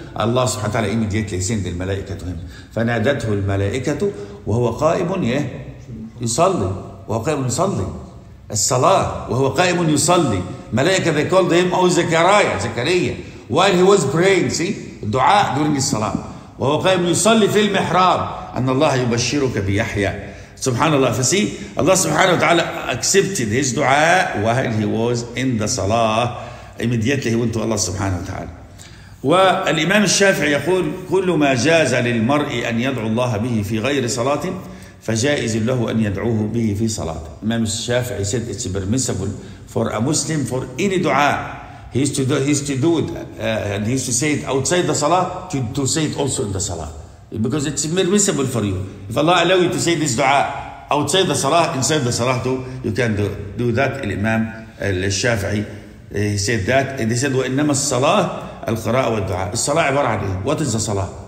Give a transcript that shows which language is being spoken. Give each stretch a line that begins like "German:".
English: Allah subhanahu wa ta'ala immediately sent the malaika to him.
Arabic: فنادته الملائكة وهو قائم يصلي. وهو قائم يصلي. الصلاة. وهو قائم يصلي.
English: ملائكة they called him
Arabic: أو زكريا. زكريا.
English: While he was praying. See? دعاء during his salah.
Arabic: وهو قائم يصلي في المحراب. أن الله يبشرك بيحيى. سبحان الله فسي الله سبحانه وتعالى
English: accepted his دعاء while he was in the salah immediately he went to Allah سبحانه وتعالى
Arabic: والإمام الشافعي يقول كل ما جاز للمرء أن يدعو الله به في غير صلاة فجائز له أن يدعوه به في صلاة الإمام الشافعي
English: said it's permissible for a Muslim for any دعاء he used to say it outside the salah to say it also in the salah Because it's permissible for you. If Allah allow you to say this dua outside the salah, inside the salah too, you can do that. Imam al-Shafi'i said that. And he said,
Arabic: وإنما الصلاة القراءة والدعاء. الصلاة عبارة عن
English: What is the salah?